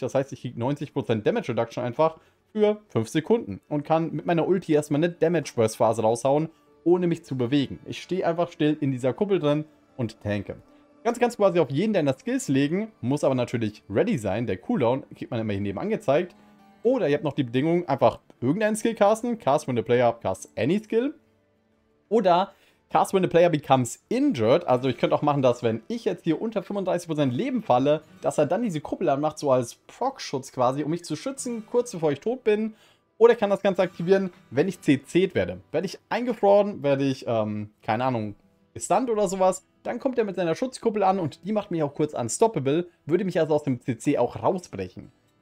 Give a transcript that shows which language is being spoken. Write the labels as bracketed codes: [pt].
[de] Das heißt, ich kriege 90% Damage Reduction einfach für 5 Sekunden und kann mit meiner Ulti erstmal eine Damage Burst Phase raushauen, ohne mich zu bewegen. Ich stehe einfach still in dieser Kuppel drin und tanke. Ganz, ganz quasi auf jeden deiner Skills legen, muss aber natürlich ready sein. Der Cooldown kriegt man immer hier neben angezeigt. Oder ihr habt noch die Bedingung, einfach irgendeinen Skill casten. [en] Cast when the player casts any skill. [de] Oder [en] cast when the player becomes injured, [de] also ich könnte auch machen, dass wenn ich jetzt hier unter 35% Leben falle, dass er dann diese Kuppel anmacht, so als Proc-Schutz quasi, um mich zu schützen, kurz bevor ich tot bin. Oder kann das Ganze aktivieren, wenn ich CC'd werde. Werde ich eingefroren, werde ich, keine Ahnung, gestunt oder sowas, dann kommt er mit seiner Schutzkuppel an und die macht mich auch kurz unstoppable, würde mich also aus dem CC auch rausbrechen.